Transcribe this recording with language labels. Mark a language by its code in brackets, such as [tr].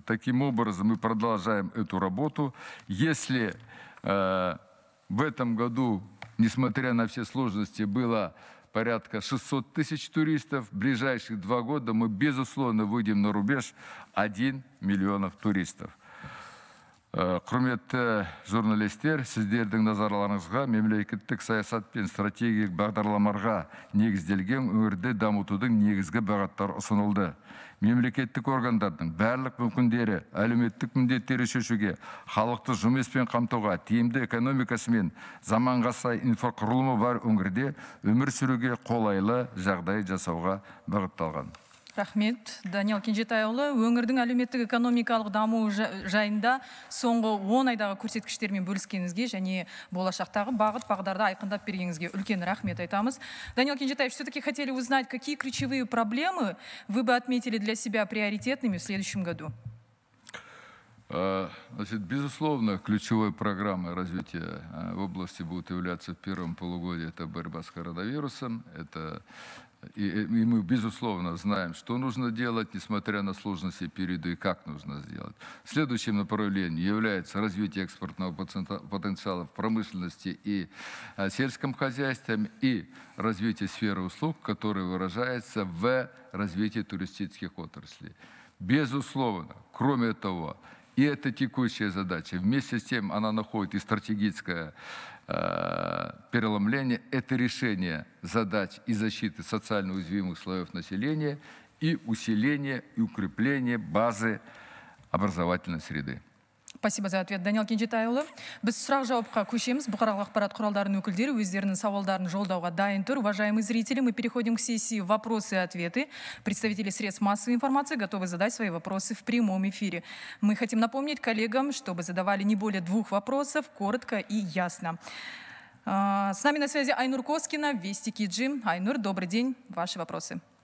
[ru] Таким образом, мы продолжаем эту работу. Если в этом году, несмотря на все сложности, было порядка 600 тысяч туристов, в ближайшие 2 года мы, безусловно, выйдем на рубеж 1 миллион туристов. [kk] Кроме того, журналистер, сіздердің назарларыңызға мемлекеттік саясат пен стратегиялық бағдарламаға негізделген өңірді дамытудың негізгі бағыттары ұсынылды. Мемлекеттік органдардың барлық мүмкіндері, әлеуметтік міндеттері шешуге, халықты жұмыспен қамтуға, тиімді экономикасы мен заманға сай инфрақұрылымы бар өңірде өмір сүруге қолайлы жағдай жасауға бағытталған. Рахмет, Даниал Кенжетайұлы. Өңірдің әлеуметтік экономикалық дамуы жайында соңғы 10 айдағы көрсеткіштермен бөліскеніңізге және болашақтағы бағыт-бағдарды айқындап бергеніңізге үлкен рахмет айтамыз. [ru] Даниал Кенжетай, все-таки хотели узнать, какие ключевые проблемы вы бы отметили для себя приоритетными в следующем году? Безусловно, ключевой программой развития в области будет являться в первом полугодии это борьба с коронавирусом, это... И мы, безусловно, знаем, что нужно делать, несмотря на сложности периода, и как нужно сделать. Следующим направлением является развитие экспортного потенциала в промышленности и сельском хозяйстве, и развитие сферы услуг, которая выражается в развитии туристических отраслей. Безусловно, кроме того, и это текущая задача, вместе с тем она находит и стратегическое переломление, это решение задач и защиты социально уязвимых слоев населения и усиление и укрепление базы образовательной среды. Спасибо за ответ, Даниал Кенжетайұлы. [kk] Біз сұрақ жауапқа көшеміз. Бұқаралық ақпарат құралдарының өкілдері өздерінің сауалдарын жолдауға дайын тұр. [ru] Уважаемые зрители, мы переходим к сессии «Вопросы и ответы». Представители средств массовой информации готовы задать свои вопросы в прямом эфире. Мы хотим напомнить коллегам, чтобы задавали не более 2 вопросов, коротко и ясно. С нами на связи Айнур Коскина, Вести Киджи. Айнур, добрый день. Ваши вопросы.